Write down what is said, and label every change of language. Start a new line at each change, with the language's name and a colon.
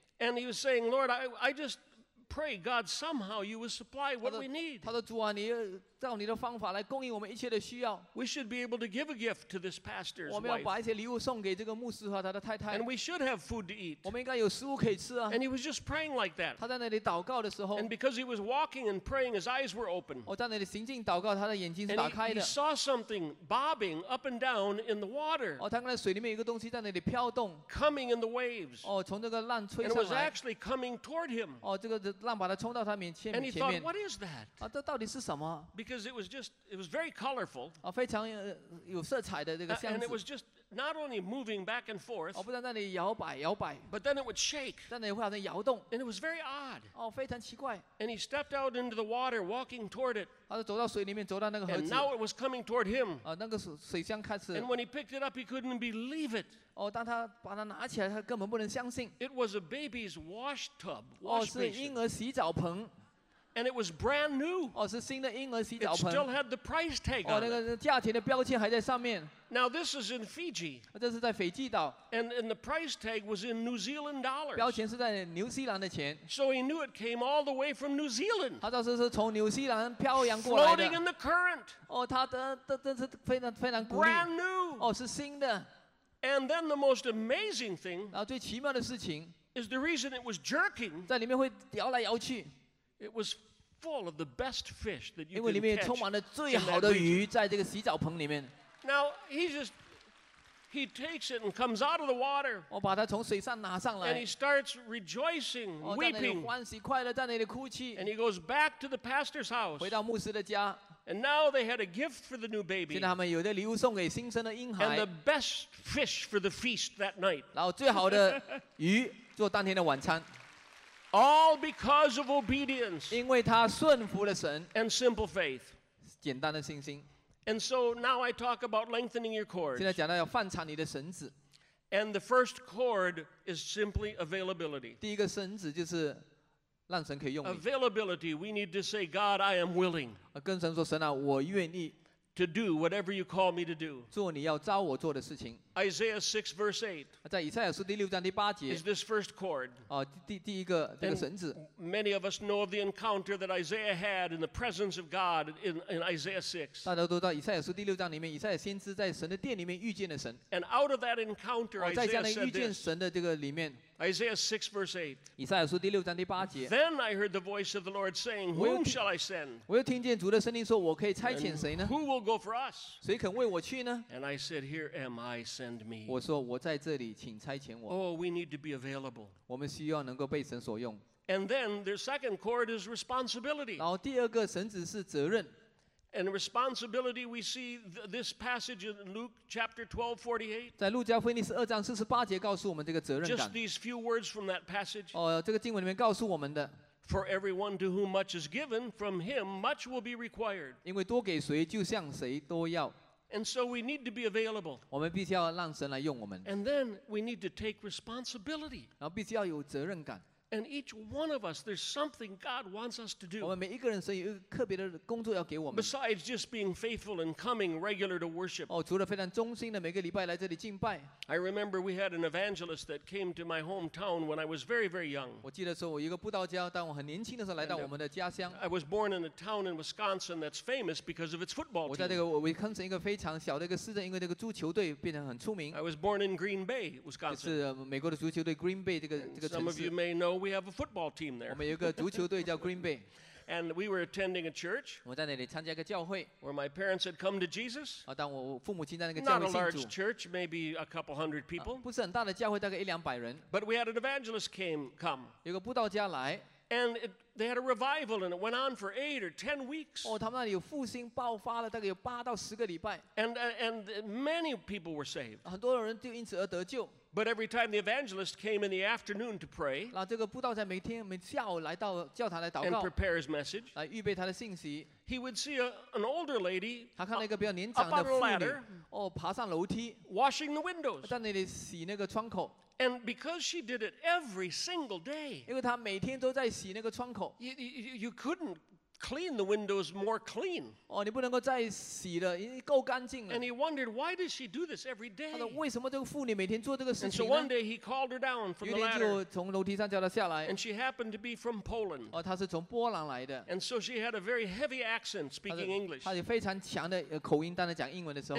English: And he was saying, Lord, I just pray, God, somehow you will supply what we need.
Chinese: 他说主啊，你照你的方法来供应我们一切的需要。
English: We should be able to give a gift to this pastor's wife.
Chinese: 我们要把一些礼物送给这个牧师和他的太太。
English: And we should have food to eat.
Chinese: 我们应该有食物可以吃啊。
English: And he was just praying like that.
Chinese: 他在那里祷告的时候。
English: And because he was walking and praying, his eyes were open.
Chinese: 我在那里行进祷告，他的眼睛是打开的。
English: And he saw something bobbing up and down in the water.
Chinese: 他看到水里面有个东西在那里飘动。
English: Coming in the waves.
Chinese: 从这个浪吹上来。
English: And it was actually coming toward him.
Chinese: 这个浪把他冲到他面前。
English: And he thought, what is that?
Chinese: 这到底是什么？
English: Because it was very colorful.
Chinese: 非常有色彩的这个箱子。
English: And it was just not only moving back and forth,
Chinese: 哦、不在那里摇摆摇摆
English: but then it would shake.
Chinese: 但那里会好像摇动
English: and it was very odd.
Chinese: 哦，非常奇怪
English: And he stepped out into the water, walking toward it.
Chinese: 他就走到水里面，走到那个盒子
English: And now it was coming toward him.
Chinese: 啊、那个水箱开始
English: And when he picked it up, he couldn't believe it.
Chinese: 哦，当他把它拿起来，他根本不能相信
English: It was a baby's wash tub.
Chinese: 哦，是婴儿洗澡盆。
English: And it was brand new.
Chinese: 哦，是新的婴儿洗澡盆。
English: It still had the price tag on it.
Chinese: 哦，那个价钱的标签还在上面。
English: Now this is in Fiji.
Chinese: 这是在斐济岛。
English: And the price tag was in New Zealand dollars.
Chinese: 标签是在纽西兰的钱。
English: So he knew it came all the way from New Zealand.
Chinese: 他知道这是从纽西兰漂洋过来的。
English: Floating in the current.
Chinese: 哦，他的是非常非常古。
English: Brand new.
Chinese: 哦，是新的。
English: And then the most amazing thing.
Chinese: 然后最奇妙的事情。
English: Is the reason it was jerking.
Chinese: 在里面会摇来摇去。
English: It was full of the best fish that you can
Chinese: catch. 因为里面充满了最好的鱼，在这个洗澡棚里面。
English: Now he takes it and comes out of the water.
Chinese: 我把它从水上拿上来。
English: And he starts rejoicing, weeping.
Chinese: 在那里欢喜快乐，在那里哭泣。
English: And he goes back to the pastor's house.
Chinese: 回到牧师的家。
English: And now they had a gift for the new baby.
Chinese: 现在他们有的礼物送给新生的婴孩。
English: And the best fish for the feast that night.
Chinese: 然后最好的鱼做当天的晚餐。
English: All because of obedience,
Chinese: 因为他顺服了神
English: and simple faith,
Chinese: 简单的信心
English: and so now I talk about lengthening your cords.
Chinese: 现在讲到要放长你的绳子
English: and the first cord is simply availability.
Chinese: 第一个绳子就是让神可以用你
English: availability. We need to say, God, I am willing.
Chinese: 跟神说，神啊，我愿意
English: to do whatever you call me to do.
Chinese: 做你要召我做的事情。
English: Isaiah 6 verse 8.
Chinese: 在以赛亚书第六章第八节。
English: Is this first cord?
Chinese: 哦，第一个这个绳子。
English: Many of us know of the encounter that Isaiah had in the presence of God in Isaiah 6.
Chinese: 大家都知道以赛亚书第六章里面，以赛亚先知在神的殿里面遇见了神。
English: And out of that encounter, Isaiah said this.
Chinese: 在这样的遇见神的这个里面。
English: Isaiah 6 verse 8.
Chinese: 以赛亚书第六章第八节。
English: Then I heard the voice of the Lord saying, Whom shall I send?
Chinese: 我又听见主的声音说，我可以差遣谁呢
English: ？Who will go for us?
Chinese: 谁肯为我去呢
English: ？And I said, Here am I, send.
Chinese: 我说我在这里，请差遣我。
English: Oh, we need to be available.
Chinese: 我们需要能够被神所用。
English: And then the second cord is responsibility.
Chinese: 然后第二个绳子是责任。
English: And responsibility, we see this passage in Luke chapter 12:48.
Chinese: 在路加福音第十二章四十八节告诉我们这个责任感。
English: Just these few words from that passage.
Chinese: 哦，这个经文里面告诉我们的。
English: For everyone to whom much is given, from him much will be required.
Chinese: 因为多给谁，就向谁多要。
English: And so we need to be available.
Chinese: 我们必须要让神来用我们。
English: And then we need to take responsibility.
Chinese: 然后必须要有责任感。
English: And each one of us, there's something God wants us to do.
Chinese: 我们每一个人，神有一个特别的工作要给我们。
English: Besides just being faithful and coming regular to worship.
Chinese: 哦，除了非常忠心的每个礼拜来这里敬拜。
English: I remember we had an evangelist that came to my hometown when I was very, very young.
Chinese: 我记得说，我一个布道家，当我很年轻的时候来到我们的家乡。
English: I was born in a town in Wisconsin that's famous because of its football team.
Chinese: 我在这个威肯森一个非常小的一个市镇，因为这个足球队变得很出名。
English: I was born in Green Bay, Wisconsin.
Chinese: 是美国的足球队 Green Bay 这个城市。
English: Some of you may know. We have a football team there.
Chinese: 我们有个足球队叫 Green Bay.
English: And we were attending a church.
Chinese: 我在那里参加一个教会。
English: Where my parents had come to Jesus.
Chinese: 啊，当我父母亲在那个教会信主。
English: Not a large church, maybe a couple hundred people.
Chinese: 不是很大的教会，大概一两百人。
English: But we had an evangelist come.
Chinese: 有个布道家来。
English: And they had a revival, and it went on for 8 or 10 weeks.
Chinese: 哦，他们那里有复兴爆发了，大概有八到十个礼拜。
English: And many people were saved.
Chinese: 很多人就因此而得救。
English: But every time the evangelist came in the afternoon to pray,
Chinese: 那这个布道家每天每下午来到教堂来祷告
English: ，and prepare his message,
Chinese: 来预备他的信息。
English: He would see an older lady,
Chinese: 他看到一个比较年长的妇女
English: up on a ladder,
Chinese: 哦，爬上楼梯
English: ，washing the windows,
Chinese: 在那里洗那个窗口。
English: And because she did it every single day,
Chinese: 因为她每天都在洗那个窗口
English: ，you couldn't clean the windows more clean.
Chinese: 哦，你不能够再洗了，已经够干净了。
English: And he wondered why does she do this every day?
Chinese: 他说为什么这个妇女每天做这个事情呢
English: ？And so one day he called her down from the ladder.
Chinese: 有一天就从楼梯上叫她下来。
English: And she happened to be from Poland.
Chinese: 哦，她是从波兰来的。
English: And so she had a very heavy accent speaking English.
Chinese: 她有非常强的口音，当她讲英文的时候。